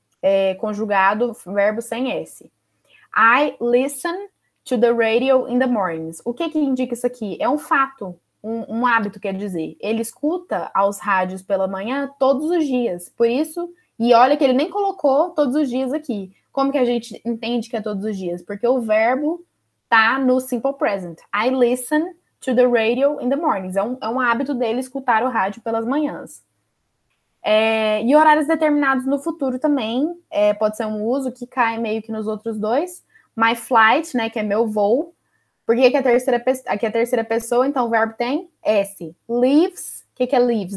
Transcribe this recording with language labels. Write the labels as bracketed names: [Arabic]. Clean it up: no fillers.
[Portuguese] É conjugado, verbo sem S. [English] I listen to the radio in the mornings. [Portuguese] O que que indica isso aqui? É um fato. um hábito, quer dizer, ele escuta aos rádios pela manhã todos os dias, por isso, e olha que ele nem colocou todos os dias aqui. Como que a gente entende que é todos os dias? Porque o verbo tá no simple present. [English] I listen to the radio in the mornings. [Portuguese] É um hábito dele escutar o rádio pelas manhãs. E horários determinados no futuro também. Pode ser um uso que cai meio que nos outros dois. [English] My flight, [Portuguese] né, que é meu voo. Por que que aqui é a terceira pessoa? Então o verbo tem S. Leaves. O que que é leaves?